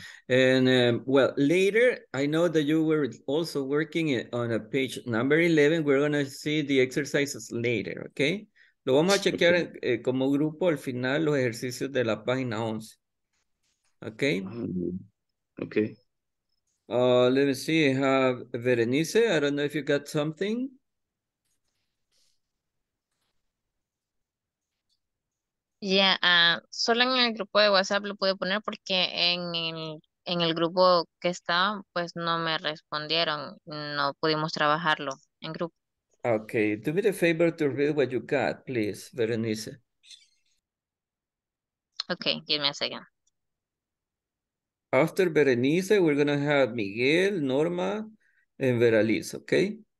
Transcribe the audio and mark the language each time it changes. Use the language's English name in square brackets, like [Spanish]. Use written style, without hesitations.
[English] And well, later, I know that you were also working on a page number 11. We're going to see the exercises later, okay? [Spanish] Lo vamos a chequear como grupo al final los ejercicios de la página 11. [English] Okay? Okay. Let me see, I have Berenice. I don't know if you got something. [Spanish] Yeah, solo en el grupo de WhatsApp lo pude poner porque en el grupo que estaba, pues no me respondieron, no pudimos trabajarlo en grupo. [English] Okay, do me the favor to read what you got, please, Berenice. Okay, give me a second. After Berenice, we're gonna have Miguel, Norma, and Veraliz, okay?